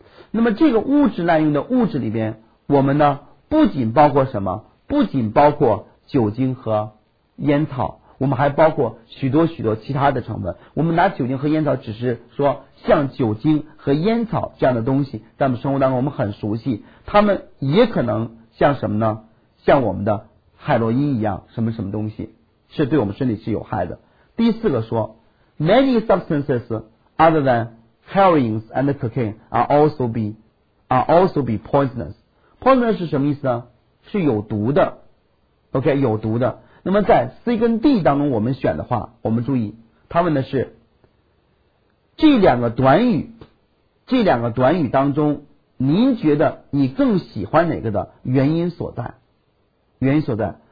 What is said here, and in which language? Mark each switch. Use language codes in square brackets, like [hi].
[zh] 那么这个物质滥用的物质里边，我们呢不仅包括什么，不仅包括酒精和烟草，我们还包括许多许多其他的成分。我们拿酒精和烟草只是说像酒精和烟草这样的东西在我们生活当中我们很熟悉，它们也可能像什么呢，像我们的海洛因一样什么什么东西是对我们身体是有害的。第四个说 [en] many substances other than heroin and cocaine are also be poisonous. [zh] Poisonous 是什么意思呢，是有毒的。OK, 有毒的。那么在 C 跟 D 当中我们选的话，我们注意他们的是这两个短语，这两个短语当中您觉得你更喜欢哪个的原因所在，原因所在。